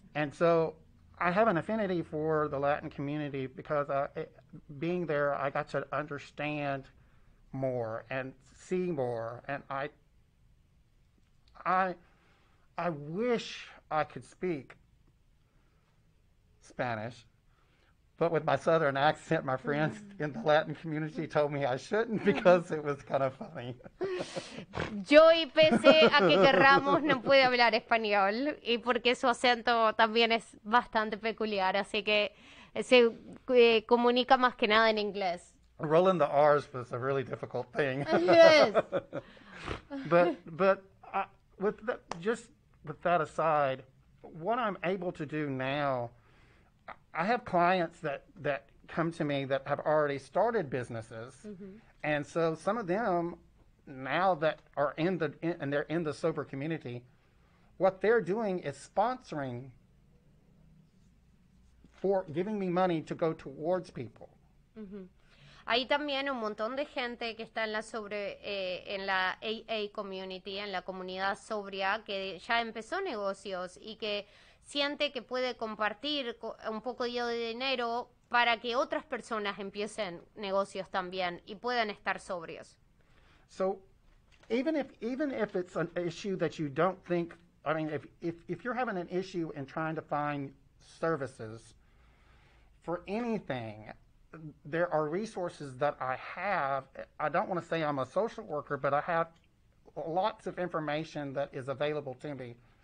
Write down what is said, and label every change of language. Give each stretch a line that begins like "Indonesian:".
English: And so I have an affinity for the Latin community because being there, I got to understand more and see more. And I wish I could speak Spanish, but with my Southern accent, my friends in the Latin community told me I shouldn't because it was kind of funny.
Spanish: Joey, pese a que querramos, no puede hablar español y porque su acento también es bastante peculiar, así que se comunica más que nada en inglés.
English: Rolling the R's was a really difficult thing. Yes. But with that aside, what I'm able to do now, I have clients that come to me that have already started businesses, mm-hmm. and so some of them now that are they're in the sober community, what they're doing is sponsoring for giving me money to go towards people. Mm-hmm.
Spanish: Hay también un montón de gente que está en la en la
English: AA community,
Spanish: en la comunidad sobria, que ya empezó negocios y que siente que puede compartir un poco de dinero para que otras personas empiecen negocios también y puedan estar sobrios.
English: So, even if it's an issue that you don't think, I mean, if you're having an issue in trying to find services for anything, there are resources that I have. I don't want to say I'm a social worker, but I have lots of information that is available to me.